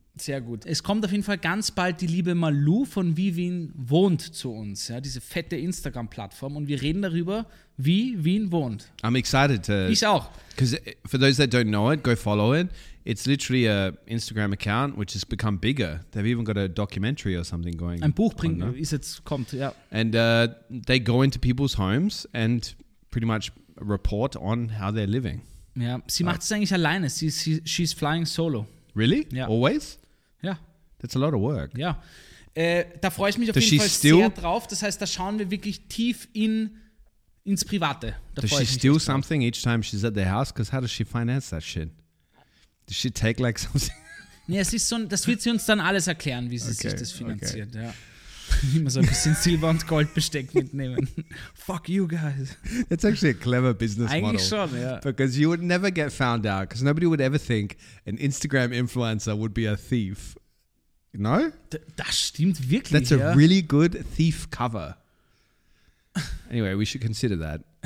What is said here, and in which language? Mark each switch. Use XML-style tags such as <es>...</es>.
<de>Sehr gut. Es kommt auf jeden Fall ganz bald die liebe Malu von Wien wohnt zu uns, ja, diese fette Instagram-Plattform und wir reden darüber, wie Wien wohnt.</de> <en>I'm excited to.</en> <de>Ich auch.</de> <en>Because for those that don't know it, go follow it. It's literally a Instagram account, which has become bigger. They've even got a documentary or something going.</en> <de>Ein Buch bringt, ist jetzt, kommt, ja.</de> <en>And they go into people's homes and pretty much report on how they're living.</en> <de>Ja, sie macht es eigentlich alleine.</de> <en>She's flying solo. Really? Yeah. Always? Yeah. That's a lot of work. Yeah.</en> <de>Da freue ich mich auf jeden Fall sehr drauf. Das heißt, da schauen wir wirklich tief ins Private.</de> <en>Does she steal something each time she's at the house? Because how does she finance that shit? Does she take like something?</en> <de>Nee, es ist so, das wird sie uns dann alles erklären, wie sie okay, sich das finanziert. Okay. Ja. Immer so ein bisschen Silber- und Goldbesteck mitnehmen.</de> <en>Fuck you guys. That's actually a clever business</en> <de>Eigentlich</de> <en>model.</en> <de>Eigentlich schon, ja.</de> <en>Because you would never get found out, because nobody would ever think an Instagram influencer would be a thief. No?</en> <de>Das stimmt wirklich,</de> <en>That's</en> <de>ja.</de> <en>a really good thief cover. Anyway, we should consider that.</en>